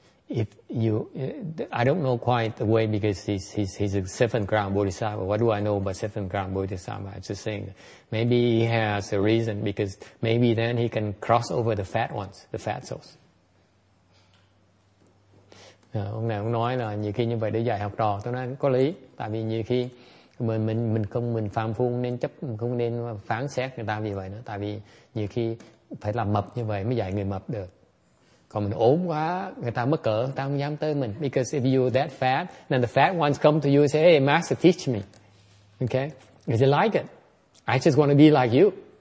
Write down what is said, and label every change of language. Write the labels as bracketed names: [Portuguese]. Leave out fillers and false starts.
[English] If you, I don't know quite the way because he's a seventh ground bodhisattva. What do I know about seventh ground bodhisattva? I'm just saying maybe he has a reason because maybe then he can cross over the fat ones, the fat souls. [Vietnamese] Ông này ông nói là nhiều khi như vậy để dạy học trò, tôi nói có lý. Tại vì nhiều khi mình phàm phu nên chấp, không nên phán xét người ta vì vậy nữa. Tại vì nhiều khi phải làm mập như vậy mới dạy người mập được. Còn mình ốm quá, người ta mất cỡ, người ta không dám tới mình. [English] Because if you're that fat, then the fat ones come to you and say, hey, master, teach me. Okay? If you like it, I just want to be like you.